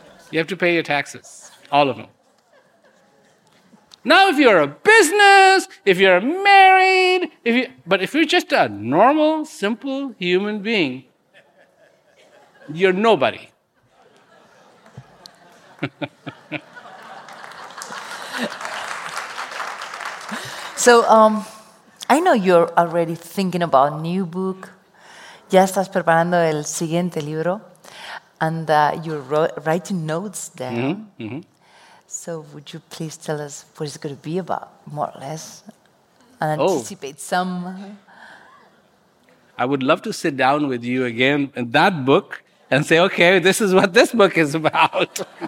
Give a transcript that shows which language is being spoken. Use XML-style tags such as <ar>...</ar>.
<en>You have to pay your taxes, all of them. Now if you're a business, if you're married, but if you're just a normal, simple human being, you're nobody. So I know you're already thinking about new book.</en> <es>Ya estás preparando el siguiente libro.</es> <en>And you're writing notes there. Mm-hmm. Mm-hmm. So would you please tell us what it's going to be about, more or less? And anticipate some. I would love to sit down with you again in that book and say, okay, this is what this book is about.</en>